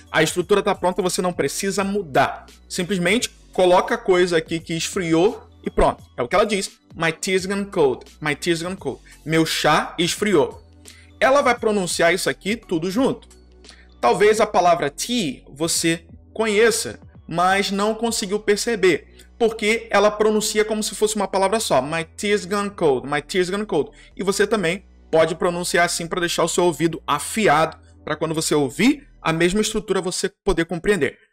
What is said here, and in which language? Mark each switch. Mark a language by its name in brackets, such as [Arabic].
[Portuguese] A estrutura tá pronta, você não precisa mudar. Simplesmente coloca a coisa aqui que esfriou e pronto. É o que ela diz. [English] My tea's gone cold, my tea's gone cold. [Portuguese] Meu chá esfriou. Ela vai pronunciar isso aqui tudo junto. Talvez a palavra tea você conheça, mas não conseguiu perceber, porque ela pronuncia como se fosse uma palavra só. [English] My tears gone cold, my tears gone cold. [Portuguese] E você também pode pronunciar assim para deixar o seu ouvido afiado, para quando você ouvir a mesma estrutura você poder compreender.